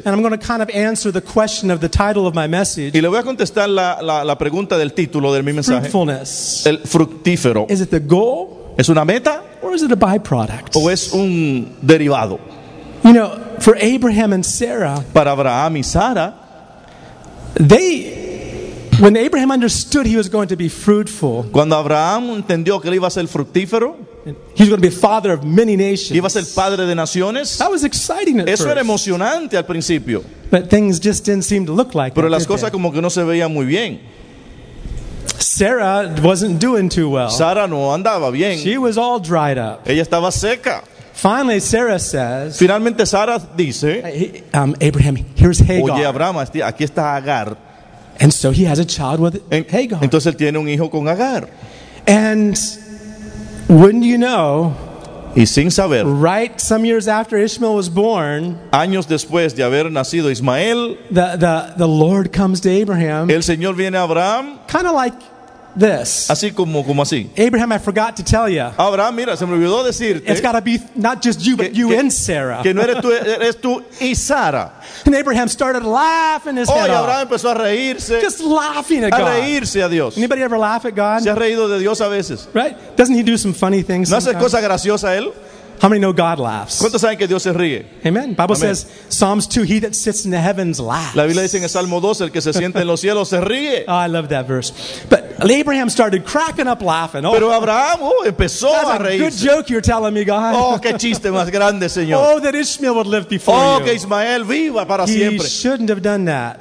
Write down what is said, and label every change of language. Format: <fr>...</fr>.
<en>And I'm going to kind of answer the question of the title of my message.</en> <es>Y le voy a contestar la pregunta del título de mi mensaje.</es> <en>Fruitfulness.</en> <es>El fructífero.</es> <en>Is it the goal?</en> <es>¿Es una meta?</es> <en>Or is it a byproduct?</en> <es>¿O es un derivado?</es> <en>You know, for Abraham and Sarah.</en> <es>Para Abraham y Sara.</es> <en>When Abraham understood he was going to be fruitful,</en> <es>cuando Abraham entendió que él iba a ser fructífero,</es> <en>he's going to be father of many nations.</en> <es>Iba a ser padre de naciones.</es> <en>That was exciting at</en> <es>eso</es> <en>first.</en> <es>Eso era emocionante al principio.</es> <en>But things just didn't seem to look like.</en> <es>Pero that, las cosas Como que no se veían muy bien.</es> <en>Sarah wasn't doing too well.</en> <es>Sara no andaba bien.</es> <en>She was all dried up.</en> <es>Ella estaba seca.</es> <en>Finally, Sarah says.</en> <es>Finalmente, Sara dice.</es> <en>Abraham, here's Hagar.</en> <es>Oye, Abraham, aquí está Agar.</es> <en>And so he has a child with Hagar.</en> <es>Entonces él tiene un hijo con Agar.</es> <en>And wouldn't you know?</en> <es>Y sin saber,</es> <en>right some years after Ishmael was born,</en> <es>años después de haber nacido Ismael,</es> <en>the Lord comes to Abraham.</en> <es>El Señor viene a Abraham.</es> <en>Kind of like this.</en> <es>Así como así.</es> <en>Abraham, I forgot to tell you.</en> <es>Abraham, mira, se me olvidó decirte.</es> <en>It's got to be not just you, but you and Sarah.</en> <es>Que no eres tú, eres tú y Sara.</es> <en>And Abraham started laughing his head off.</en> <es>Abraham empezó a reírse.</es> <en>Just laughing at God.</en> <es>A reírse a Dios.</es> <en>Anybody ever laugh at God?</en> <es>Se ha reído de Dios a veces.</es> <en>Right? Doesn't he do some funny things?</en> <es>¿No hace cosa graciosa él?</es> <en>How many know God laughs?</en> <es>¿Cuántos saben que Dios se ríe?</es> <en>Amen. Bible Amen. Says, Psalms 2, he that sits in the heavens laughs.</en> <es>La Biblia dice en el Salmo 2, el que se siente en los cielos se ríe.</es> <en>Oh, I love that verse. But Abraham started cracking up laughing. Oh,</en> <es>pero Abraham empezó a reírse.</es> <en>Good joke you're telling me, God.</en> <es>Oh, qué chiste más grande, Señor.</es> <en>Oh, that Ishmael would live before oh, you.</en> <es>Que Ismael viva para</es> <en>he</en> <es>siempre.</es> <en>He shouldn't have done that.</en>